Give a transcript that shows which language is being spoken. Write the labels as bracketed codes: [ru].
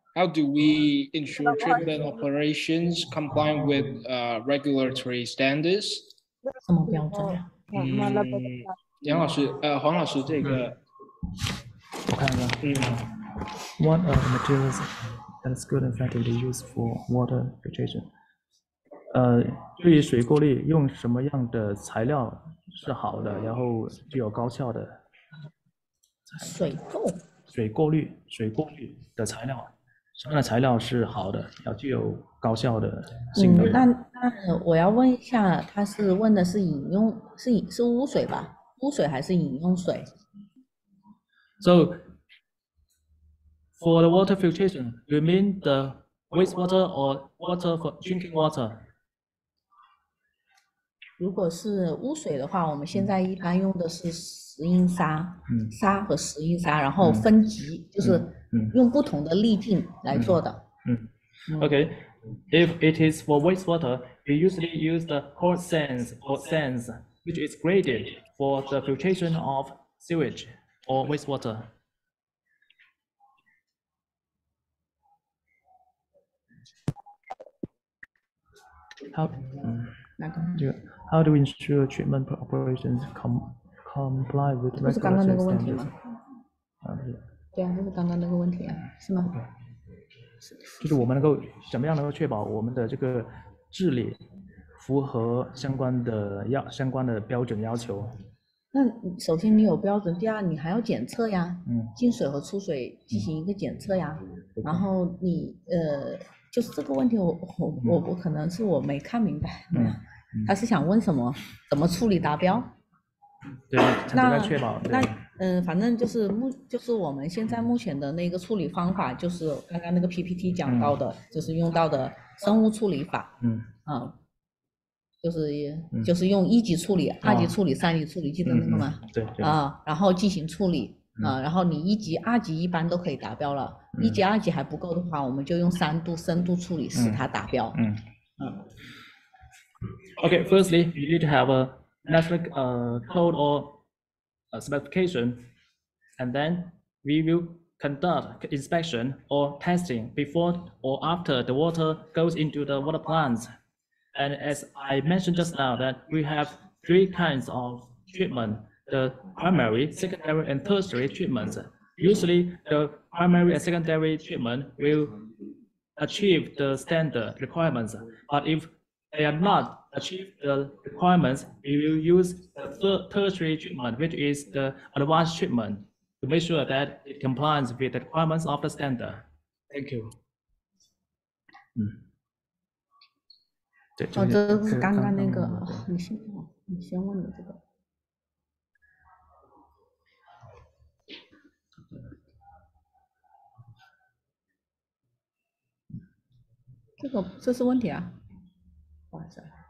[en] How do we ensure treatment operations comply with regulatory standards? [zh] 什么标准？杨老师，黄老师，这个我看一下。 [en] What are the materials that is good and effectively used for water filtration? [zh] 对于水过滤用什么样的材料是好的，然后具有高效的水过滤的材料，什么样的材料是好的，要具有高效的性能。那我要问一下，他是问的是饮用 是污水吧，污水还是饮用水？ [en] So for the water filtration, you mean the wastewater or water for drinking water? [zh] 如果是污水的话，我们现在一般用的是石英砂，砂和石英砂，然后分级，就是用不同的粒径来做的。 [en] Okay, if it is for wastewater, we usually use the coarse sands or sands, which is graded for the filtration of sewage or wastewater. How do we ensure treatment operations comply with regulatory standards? [zh] 这不是刚刚那个问题吗？就是我们能够怎么样能够确保我们的这个治理符合相关的标准要求？那首先你有标准，第二你还要检测呀，嗯，进水和出水进行一个检测呀，嗯、然后你就是这个问题我可能是我没看明白，嗯，他是想问什么，怎么处理达标？对，才能确保那。反正就是我们现在目前的那个处理方法，就是刚刚那个 PPT 讲到的，嗯、就是用到的生物处理法。嗯。啊，就是用一级处理、嗯、二级处理、三级处理，记得那个吗？嗯嗯、对。啊，然后进行处理、嗯、啊，然后你一级、二级一般都可以达标了、嗯。一级、二级还不够的话，我们就用三度深度处理使它达标。嗯。嗯。 [en] Okay, firstly, you need to have a national code or specification, and then we will conduct inspection or testing before or after the water goes into the water plants. And as I mentioned just now, that we have three kinds of treatment, the primary, secondary, and tertiary treatments. Usually, the primary and secondary treatment will achieve the standard requirements, but if they are not achieve the requirements, we will use the tertiary treatment, which is the advanced treatment, to make sure that it complies with the requirements of the standard. Thank you. [zh] 嗯，对，哦，这是刚刚那个，你先问的这个。这个这是问题啊，不好意思。